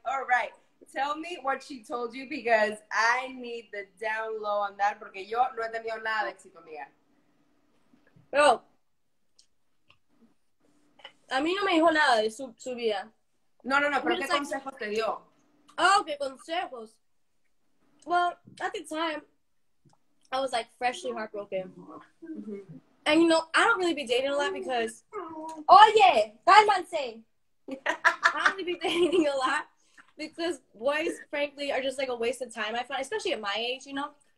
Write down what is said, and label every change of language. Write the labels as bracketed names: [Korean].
[English] All right, tell me what she told you, because I need the down low on that, [Spanish] porque yo no he tenido nada de éxito, amiga. Bro, a mí no me dijo nada de su vida. No, pero ¿qué consejos te dio? Oh, qué consejos. [English] Well, at the time, I was, like, freshly heartbroken. Mm-hmm. And, you know, I don't really be dating a lot because... Oh, yeah! Cálmense! I don't really be dating a lot because boys, frankly, are just, like, a waste of time, I find, especially at my age, you know?